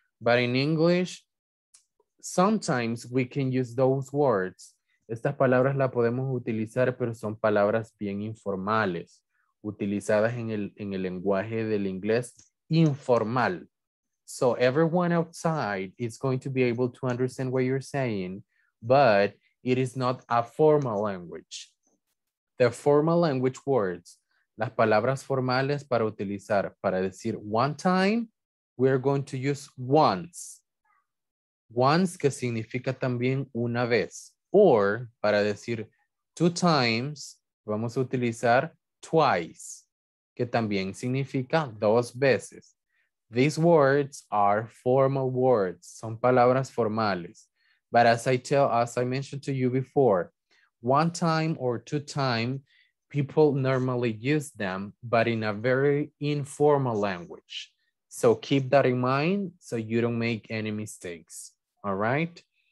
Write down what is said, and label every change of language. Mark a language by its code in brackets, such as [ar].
[en] But in English, sometimes we can use those words. [es] Estas palabras las podemos utilizar, pero son palabras bien informales, utilizadas en el lenguaje del inglés informal. [en] So everyone outside is going to be able to understand what you're saying. But It is not a formal language. The formal language words, [es] las palabras formales para utilizar, para decir [en] one time, we are going to use once. [es] Once, que significa también una vez. Or, para decir two times, vamos a utilizar twice, que también significa dos veces. [en] These words are formal words. [es] Son palabras formales. [en] But as I mentioned to you before, one time or two time, people normally use them, but in a very informal language. So keep that in mind so you don't make any mistakes. All right.